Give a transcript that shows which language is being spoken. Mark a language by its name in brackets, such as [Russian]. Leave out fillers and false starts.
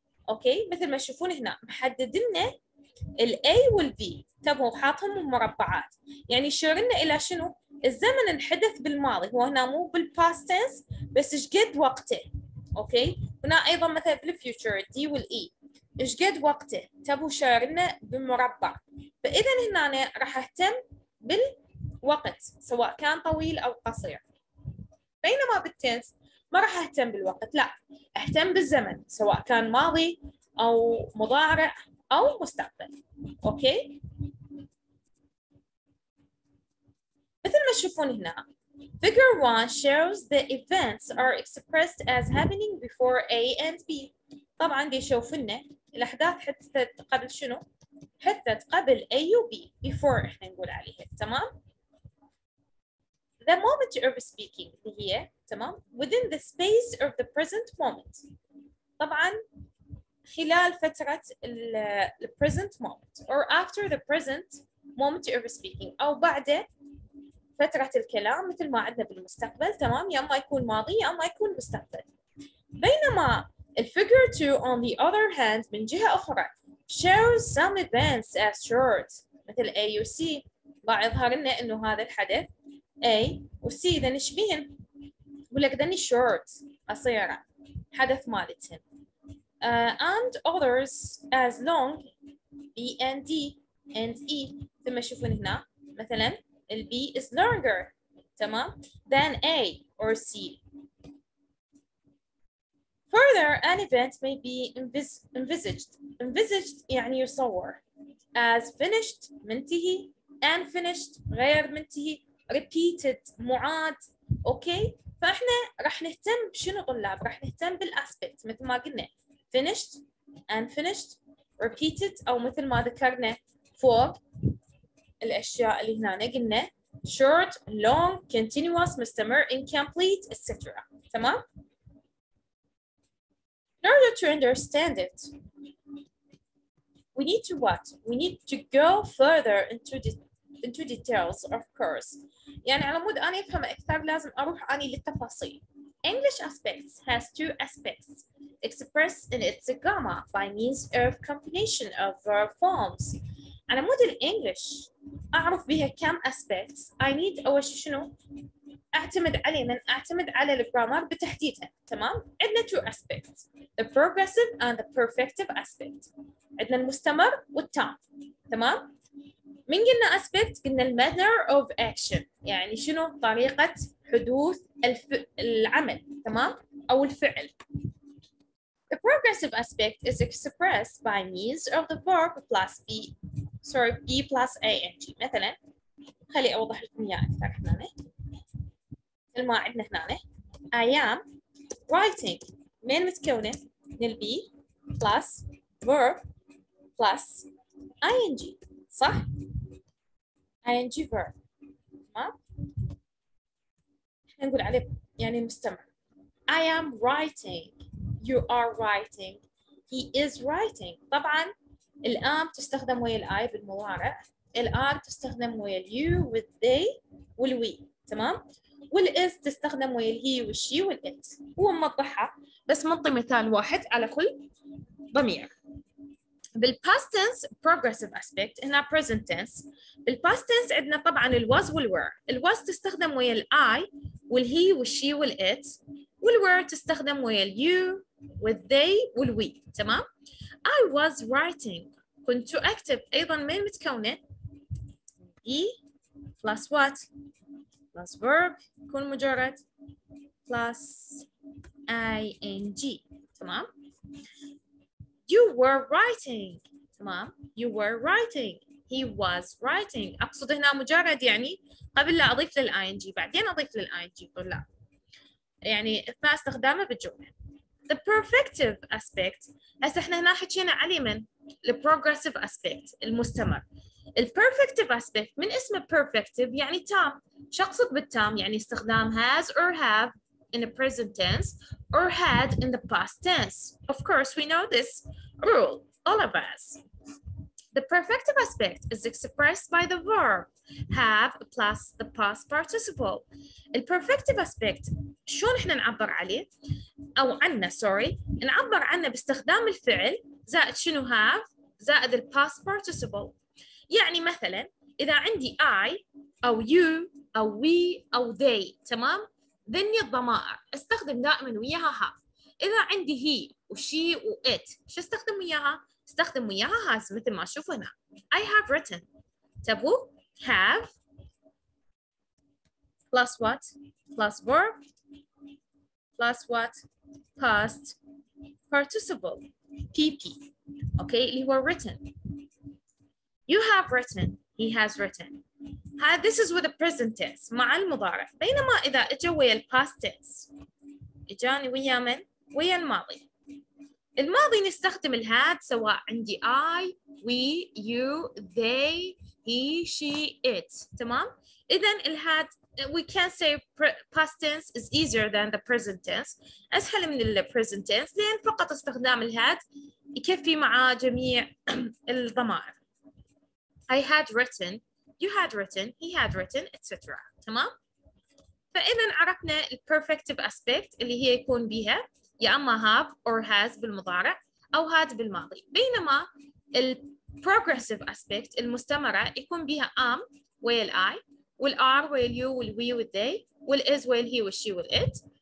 [Arabic] Okay, مثل ما تشوفون هنا محدد لنا ال A وال B تبعوا حاطهم مربعات يعني يشير لنا الى شنو الزمن الحدث بالماضي هو هنا مو بالباست تنس بس ايش قد وقته. Okay, هنا ايضا مثلا بالفيوتشر D وال E ايش قد وقته تبعوا شاير لنا بمربع. فاذا هنا أنا راح اهتم بال وقت سواء كان طويل او قصير. بينما بالتنس ما ما راح أهتم بالوقت، لا أهتم بالزمن سواء كان ماضي أو مضارع أو مستقبل. أوكي، مثل ما تشوفون هنا [English] figure 1 shows the events are expressed as happening before A and B. [Arabic] طبعا دي شوف لنا الأحداث حدثت قبل شنو؟ حدثت قبل A و B before إحنا نقول عليها. [English] تمام؟ The moment of speaking [Arabic] هي تمام؟ [English] within the space of the present moment. [Arabic] طبعا خلال فترة [English] the present moment or after the present moment of speaking [Arabic] أو بعد فترة الكلام مثل ما عندنا بالمستقبل. تمام؟ يا أما يكون ماضي يا أما يكون مستقبل. بينما الفيجر 2 [English] on the other hand [Arabic] من جهة أخرى [English] shows some events as short مثل A و C. [Arabic] ما يظهر لنا إنه هذا الحدث A و C ذن شبيهن، يقول لك ذن short قصيرة حدث مالتهم. [English] And others as long B and D and E. [Arabic] ثم تشوفون هنا مثلا ال [English] B is longer تمام than A or C. Further, an event may be envisaged. [Arabic] Envisaged يعني يصور. [English] As finished, منتهي. [Arabic] Unfinished, غير منتهي. Repeated, معاد. [English] Okay? [Arabic] فإحنا رح نهتم بشنو طلاب؟ رح نهتم بالأسبكت مثل ما قلنا. [English] Finished, unfinished, repeated, [Arabic] أو مثل ما ذكرنا فوق الأشياء اللي هنا قلنا. [English] Short, long, continuous, مستمر, incomplete, etc. [Arabic] تمام؟ [English] In order to understand it, we need to what? We need to go further into details, of course. [Arabic] يعني على مود أنا أفهم أكثر لازم أروح أني للتفاصيل. [English] English aspects has two aspects expressed in its gamma by means of combination of verb forms. [Arabic] على مود الإنجليش أعرف بها كم aspects. [English] I need [Arabic] أول شيء شنو؟ أعتمد عليه من أعتمد على الجرامر بتحديدها. تمام؟ عندنا [English] two aspects the progressive and the perfective aspect. [Arabic] عندنا المستمر والتام. تمام؟ من قلنا aspect قلنا [English] the manner of action [Arabic] يعني شنو طريقة حدوث العمل تمام؟ أو الفعل. [English] The progressive aspect is expressed by means of the verb plus B sorry B plus ANG. [Arabic] مثلا خلي أوضح لكم إياه أكثر هنا مثل ما عندنا هنا [English] I am writing [Arabic] من متكونة من ال B plus verb plus ing صح؟ ing verb تمام؟ نقول عليه يعني مستمر [English] I am writing you are writing he is writing. [Arabic] طبعا ال am تستخدم ويا ال I بالمضارع ال are تستخدم ويا ال you with they وال we تمام؟ وال is تستخدم ويا ال he وال she وال it وموضحها بس منطي مثال واحد على كل ضمير. [English] بالpast tense progressive aspect هنا present tense. [Arabic] بالpast tense عندنا طبعا ال was وال were. ال was تستخدم ويا ال I وال he وال she وال it وال were تستخدم ويا ال you وال they وال we تمام؟ [English] I was writing [Arabic] كنت أكتب أيضا من متكونة [English] he plus what plus verb [Arabic] يكون مجرد plus ing تمام؟ [English] You were writing [Arabic] تمام؟ [English] You were writing He was writing [Arabic] أقصد هنا مجرد يعني قبل لا أضيف لل ing بعدين أضيف لل ing قل لا يعني إثناء استخدامه بالجملة. [English] The perfective aspect [Arabic] هسه إحنا هنا حكينا علي من [English] the progressive aspect [Arabic] المستمر. [English] The perfective aspect [Arabic] من اسمه perfective يعني تام. شقصد بالتام يعني استخدام [English] has or have in the present tense or had in the past tense. Of course, we know this rule, all of us. The perfective aspect is expressed by the verb have plus the past participle. The perfective aspect, [Arabic] شو نحن نعبر عليه؟ أو عنا, sorry. نعبر عنا باستخدام الفعل زائد شنو have زائد [English] the past participle. [Arabic] يعني مثلا, إذا عندي I أو you أو we أو they, تمام؟ ذني الضمائر استخدم دائما وياها have. إذا عندي he وشي وit شو استخدم وياها؟ استخدم وياها has مثل ما شوف هنا. [English] I have written. [Arabic] تبو [English] have plus what plus verb plus what? Past participle, PP. Okay, you were written. You have written, he has written. This is with the present tense, [Arabic] مع المضارع. بينما إذا إجا ويا past tense. إجاني ويا من؟ ويا الماضي. الماضي نستخدم الهاد سواء عندي I, we, you, they, he, she, it. تمام؟ إذن الهاد, [English] we can say past tense is easier than the present tense. [Arabic] أسهل من [English] the present tense [Arabic] لأن فقط استخدام الهاد يكفي مع جميع الضمائر. [English] I had written, you had written, he had written, etc. [Arabic] تمام؟ فإذن عرفنا [English] the perfective aspect [Arabic] اللي هي يكون بيها يا أما [English] have or has [Arabic] بالمضارع أو had بالماضي. بينما ال [English] progressive aspect [Arabic] المستمرة يكون بها am ويل I والare ويل you والwe والthey والis ويل he والshe والit.